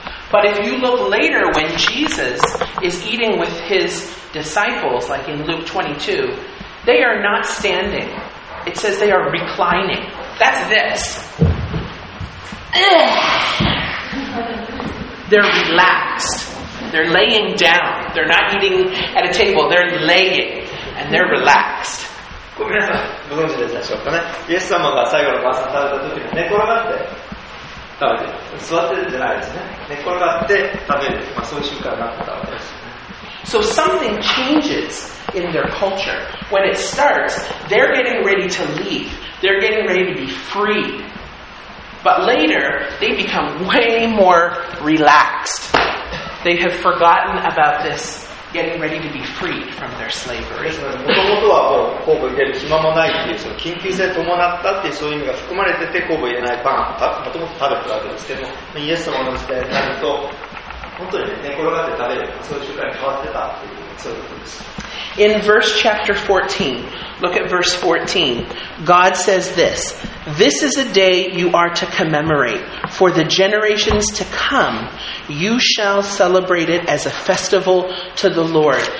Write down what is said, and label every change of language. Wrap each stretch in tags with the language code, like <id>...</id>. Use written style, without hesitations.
<en>But if you look later when Jesus is eating with his disciples, like in Luke 22, they are not standing. It says they are reclining. That's this. They're relaxed. They're laying down. They're not eating at a table. They're laying and they're relaxed.</en> <ja>ごめんなさい。ご存知でしょうかね。イエス様が最後の晩餐食べた時に寝転がって食べて、座ってるんじゃないですね。寝転がって食べる、まあ、そういう習慣になったわけですね。</ja> <en>So something changes in their culture. When it starts, they're getting ready to leave. They're getting ready to be free. But later, they become way more relaxed. They have forgotten about this getting ready to be freed from their slavery.</en> <ja>もともとは酵母を入れる暇もないっていう、その緊急性伴ったっていうそういう意味が含まれてて、酵母入れないパンをもともと食べてたわけですけども、イエス様の時代になると、本当に寝転がって食べる、そういう習慣に変わってたっていう、そういうことです。</ja> <en>In verse chapter 14, look at verse 14. God says this, This is a day you are to commemorate. For the generations to come, you shall celebrate it as a festival to the Lord.</en>